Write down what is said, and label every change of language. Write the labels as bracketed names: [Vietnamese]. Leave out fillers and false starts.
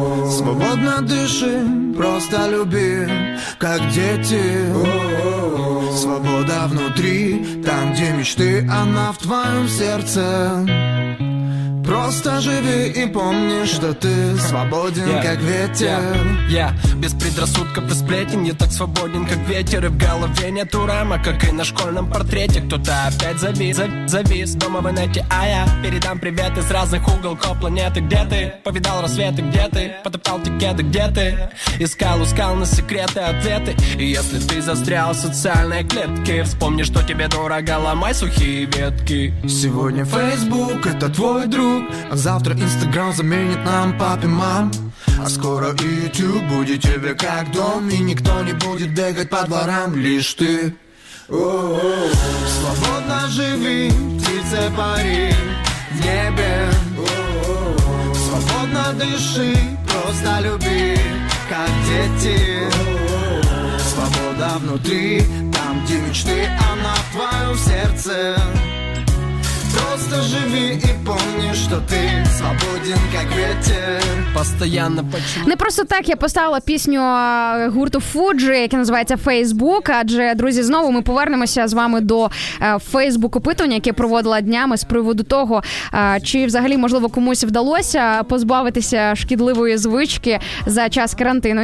[Russian] Свободно дыши, просто люби, как дети. Свобода внутри, там, где мечты, она в твоем сердце. Просто живи и помни, что ты свободен, yeah. как ветер. Без предрассудков и сплетен, я так свободен, как ветер. И в голове нету рама, как и на школьном портрете. Кто-то опять завис, дома в инете, а я передам привет из разных уголков планеты. Где ты? Повидал рассветы, где ты? Потоптал тикеты, где ты? Искал, ускал на секреты ответы. И если ты застрял в социальной клетке, вспомни, что тебе дорого, ломай сухие ветки. Сегодня Facebook — это твой друг. А завтра Инстаграм заменит нам папе мам. А скоро Ютуб будет тебе как дом. И никто не будет бегать по дворам, лишь ты. Свободно живи, птице пари в небе. Свободно дыши, просто люби, как дети. Свобода внутри, там где мечты, она в твоем сердце. Просто живи і помни, що ти свободен, як ветер. [Ukrainian] Постоянно почув. Не просто так я поставила пісню гурту Fuji, яка називається Facebook. Адже, друзі, знову ми повернемося з вами до Facebook опитування, яке проводила днями з приводу того, чи взагалі, можливо, комусь вдалося позбавитися шкідливої звички за час карантину.